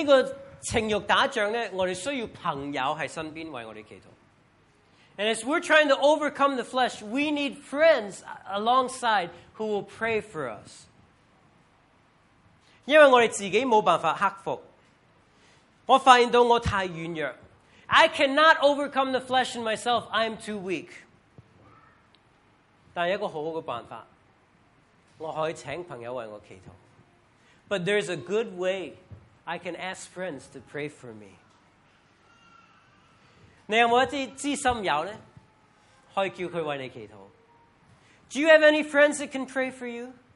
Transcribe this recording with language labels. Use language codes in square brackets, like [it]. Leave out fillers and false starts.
[zh] 有时我们和这个情欲打仗呢, 我们需要朋友在身边为我们祈祷, [en] and as we're trying to overcome the flesh, we need friends alongside who will pray for us. [zh] 因为我们自己没办法克服。我发现到我太软弱。 [en] I cannot overcome the flesh in myself. I am too weak. [zh] 但有一个好好的办法。我可以请朋友为我祈祷。 [en] But there is a good way. I can ask friends to pray for me. [zh] 你有没有一些知心友呢? 可以叫他为你祈祷。 [en] Do you have any friends that can pray for you?